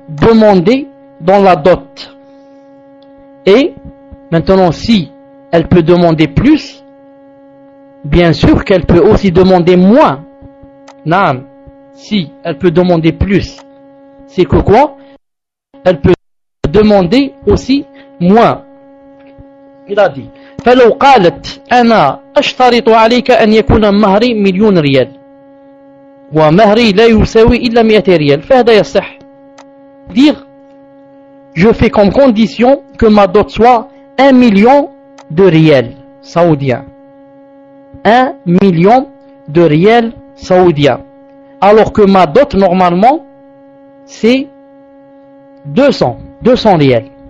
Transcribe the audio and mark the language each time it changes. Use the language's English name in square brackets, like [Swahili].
[French] demandé dans la dot. Et maintenant, si elle peut demander plus, bien sûr qu'elle peut aussi demander moins. Naam, si elle peut demander plus, c'est que quoi? Elle peut demander aussi moins. Il a dit, [Arabic] فلو قالت انا اشترط عليك ان يكون مهري مليون ريال ومهري لا يساوي الا 100 ريال فهذا يصح. [French] Dire, je fais comme condition que ma dot soit 1 million de riel saoudien. 1 million de riel saoudien. Alors que ma dot normalement c'est 200 riel.